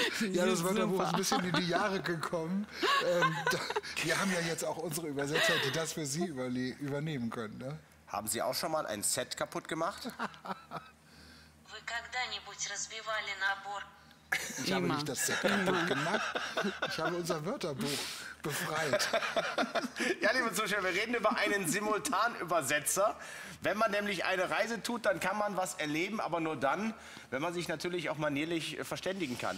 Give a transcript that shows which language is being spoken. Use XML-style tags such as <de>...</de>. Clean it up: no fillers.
<de>Ja, das Wörterbuch ist ein bisschen in die Jahre gekommen. Wir haben ja jetzt auch unsere Übersetzer, die das für Sie übernehmen können. Ne? Haben Sie auch schon mal ein Set kaputt gemacht?</de> <ru>Вы когда-нибудь разбивали набор?</ru> <de>Ich habe nicht das Set kaputt gemacht. Ich habe unser Wörterbuch befreit. Ja, liebe Zuschauer, wir reden über einen Simultanübersetzer. Wenn man nämlich eine Reise tut, dann kann man was erleben, aber nur dann, wenn man sich natürlich auch manierlich verständigen kann.</de>